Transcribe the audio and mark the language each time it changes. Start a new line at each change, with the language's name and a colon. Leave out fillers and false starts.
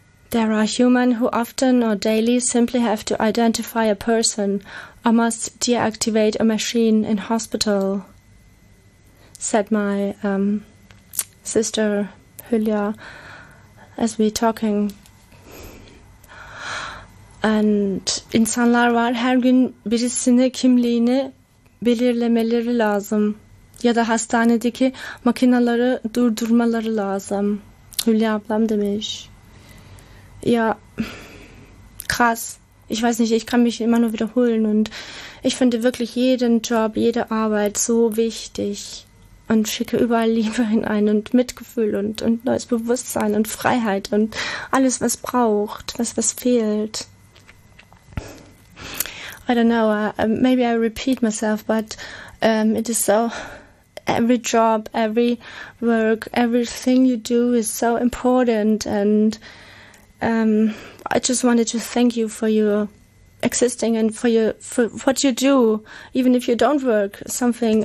English: There are human who often or daily simply have to identify a person or must deactivate a machine in hospital, said my sister Hülya as we talking.
Turkish: And insanlar var her gün birisini kimliğini belirlemeleri lazım ya da hastanedeki makinaları durdurmaları lazım. Hülya ablam demiş.
German: Ja, krass. Ich weiß nicht, ich kann mich immer nur wiederholen und ich finde wirklich jeden Job, jede Arbeit so wichtig und schicke überall Liebe hinein und Mitgefühl und neues Bewusstsein und Freiheit und alles, was braucht, was fehlt.
English: I don't know, maybe I repeat myself, but it is so, every job, every work, everything you do is so important and I just wanted to thank you for your existing and for what you do, even if you don't work something.